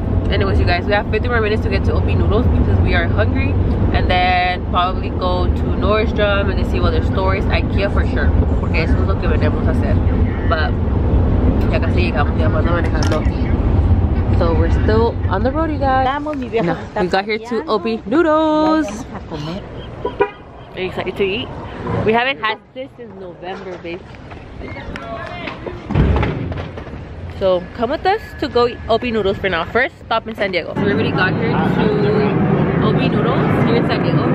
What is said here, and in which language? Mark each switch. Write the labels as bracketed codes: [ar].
[en] Anyways, you guys, we have 50 more minutes to get to Obi Noodles because we are hungry, and then probably go to Nordstrom and see what their store is. Ikea for sure, [es] porque eso es lo que venimos a hacer. [en] But [es] ya casi llegamos, ya vamos manejando. [en] So we're still on the road, you guys. No, we got here to Obi Noodles. Are you excited to eat? We haven't had this since November, babe. So come with us to go eat Obi Noodles for now. First stop in San Diego. So we already got here to Obi Noodles here in San Diego.